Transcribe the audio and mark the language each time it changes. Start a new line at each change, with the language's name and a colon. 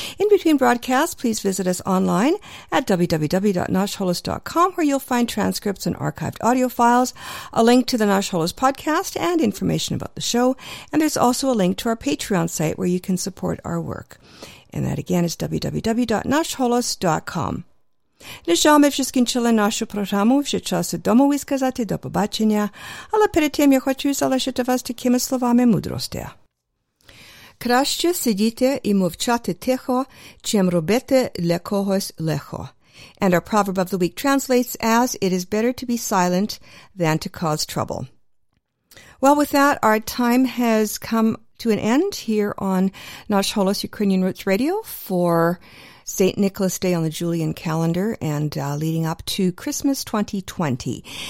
English: In between broadcasts, please visit us online at www.nashholos.com where you'll find transcripts and archived audio files, a link to the Nash Holos podcast and information about the show. And there's also a link to our Patreon site where you can support our work. And that again is www.nashholos.com.
Ukrainian: На що ми всі скінчили нашу програму, вже час дому висказати до побачення, але перед тим я хочу залишити вас такими словами мудрості. Краще сидіти і мовчати тихо, чим робити для когось лихо.
English: And our proverb of the week translates as, it is better to be silent than to cause trouble. Well, with that, our time has come to an end here on Nash Holos Ukrainian Roots Radio for St. Nicholas Day on the Julian calendar and leading up to Christmas 2020.